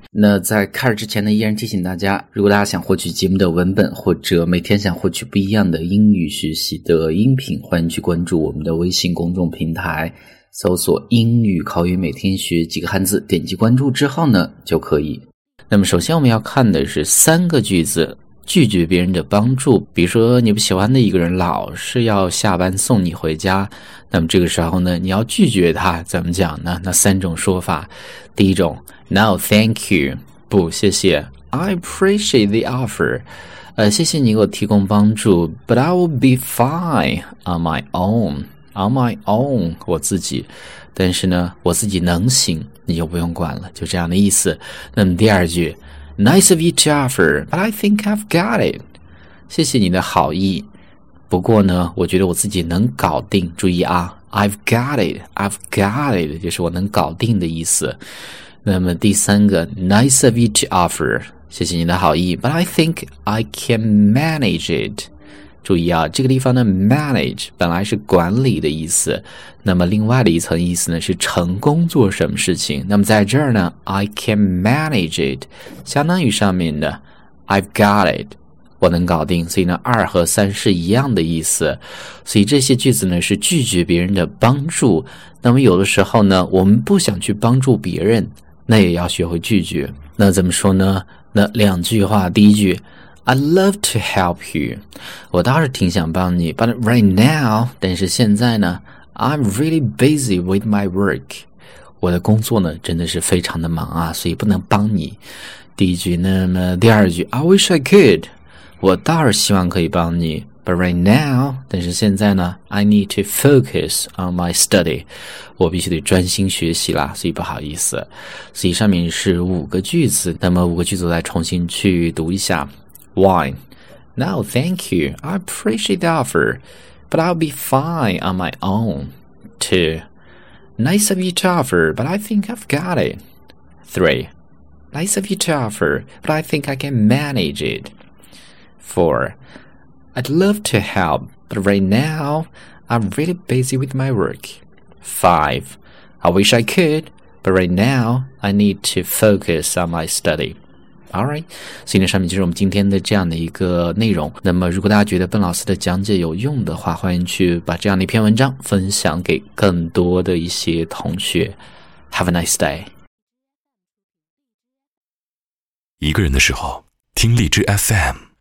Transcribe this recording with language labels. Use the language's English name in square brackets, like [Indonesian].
[Chinese] 那在开始之前呢，依然提醒大家，如果大家想获取节目的文本，或者每天想获取不一样的英语学习的音频，欢迎去关注我们的微信公众平台，搜索"英语口语每天学几个汉字"，点击关注之后呢，就可以。那么，首先我们要看的是三个句子，拒绝别人的帮助。比如说，你不喜欢的一个人老是要下班送你回家，那么这个时候呢，你要拒绝他，怎么讲呢？那三种说法，第一种， [English] No, thank you， [Chinese] 不，谢谢， [English] I appreciate the offer。 [Chinese] 谢谢你给我提供帮助， [English] but I will be fine on my own， [Chinese] 我自己，但是呢，我自己能行，你就不用管了，就这样的意思。那么第二句， [English] Nice of you to offer, but I think I've got it。 [Chinese] 谢谢你的好意，不过呢，我觉得我自己能搞定。注意啊， [English] I've got it， [Chinese] 就是我能搞定的意思。 [English] 那么第三个，Nice of you to offer。 [Chinese] 谢谢你的好意， [English] but I think I can manage it。 [Chinese] 注意啊，这个地方的 manage 本来是管理的意思，那么另外的一层意思呢是成功做什么事情。那么在这儿呢， [English] I can manage it [Chinese] 相当于上面的 [English] I've got it， [Chinese] 我能搞定。所以呢，二和三是一样的意思。所以这些句子呢是拒绝别人的帮助。那么有的时候呢，我们不想去帮助别人，那也要学会拒绝。那怎么说呢？那两句话，第一句， [English] I'd love to help you， [Chinese] 我倒是挺想帮你， [English] but right now， [Chinese] 但是现在呢， [English] I'm really busy with my work， [Chinese] 我的工作呢真的是非常的忙啊，所以不能帮你。第一句，那么第二句， [English] I wish I could， [Chinese] 我倒是希望可以帮你， [English] but right now， [Chinese] 但是现在呢， [English] I need to focus on my study， [Chinese] 我必须得专心学习啦，所以不好意思。所以上面是五个句子，那么五个句子再重新去读一下。 [English] One, no, thank you. I appreciate the offer, but I'll be fine on my own. Two, nice of you to offer, but I think I've got it. Three, nice of you to offer, but I think I can manage it. Four, I'd love to help, but right now I'm really busy with my work. Five, I wish I could, but right now I need to focus on my study. All right， [Chinese] 所以呢，上面就是我们今天的这样的一个内容。那么，如果大家觉得笨老师的讲解有用的话，欢迎去把这样的一篇文章分享给更多的一些同学。 [English] Have a nice day。 [Chinese] 一个人的时候，听荔枝 FM。